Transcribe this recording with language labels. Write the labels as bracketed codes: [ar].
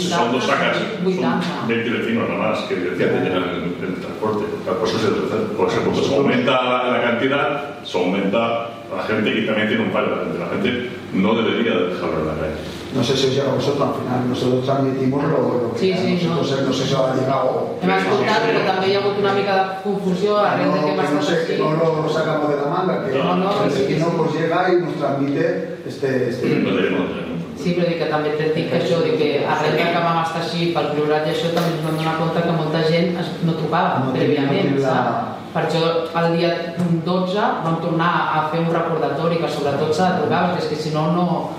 [es] si son dos sacas, son 20 vecinos nada más que tienen el transporte. Por eso, se aumenta la cantidad, se aumenta la gente y también tiene un fallo. La gente no debería dejarlo en la calle. No sé si os llega a vosotros, al final nosotros transmitimos no sé si os ha llegado. [ca] Hem escoltat, però també hi ha hagut una mica de confusió arrel de què m'ha estat així. [es] No lo sacamos de la manga, que no pues llega y nos transmite este... [ca] Sí, però que també t'he dit això, que arrel de que vam estar així pel Priorat i això, també ens vam donar compte que molta gent no trucava prèviament, saps? Per això el dia 12 vam tornar a fer un recordatori que sobretot s'ha de trucar, perquè és que si no, no...